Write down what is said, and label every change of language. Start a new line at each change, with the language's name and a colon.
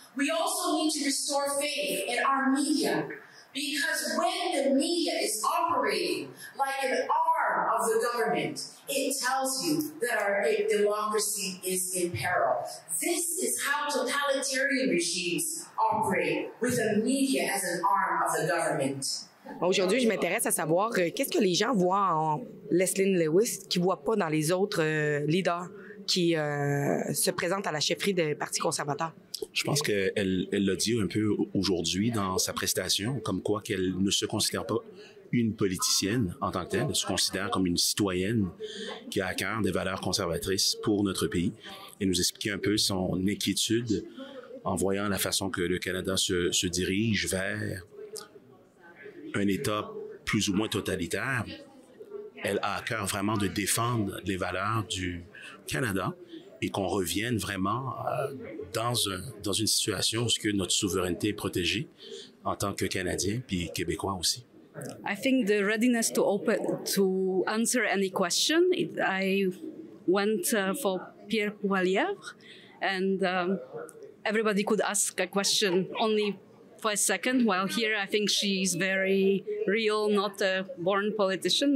English: We also need to restore faith in our media. Because when the media is operating like an arm of the government, it tells you that our democracy is in peril. This is how totalitarian regimes operate, with the media as an arm of the government.
French: Aujourd'hui, je m'intéresse à savoir qu'est-ce que les gens voient en Leslyn Lewis qu'ils ne voient pas dans les autres leaders qui se présentent à la chefferie du Parti conservateur. Je pense qu'elle l'a dit un peu aujourd'hui dans sa prestation, comme quoi qu'elle ne se considère pas une politicienne en tant que telle. Elle se considère comme une citoyenne qui a à cœur des valeurs conservatrices pour notre pays. Elle nous expliquait un peu son inquiétude en voyant la façon que le Canada se dirige vers un État plus ou moins totalitaire. Elle a à cœur vraiment de défendre les valeurs du Canada et qu'on revienne vraiment dans une situation où ce que notre souveraineté est protégée en tant que Canadien puis Québécois aussi.
English: I think the readiness to open to answer any question. I went for Pierre Poilievre and everybody could ask a question only for a second. Well, here I think she's very real, not a born politician.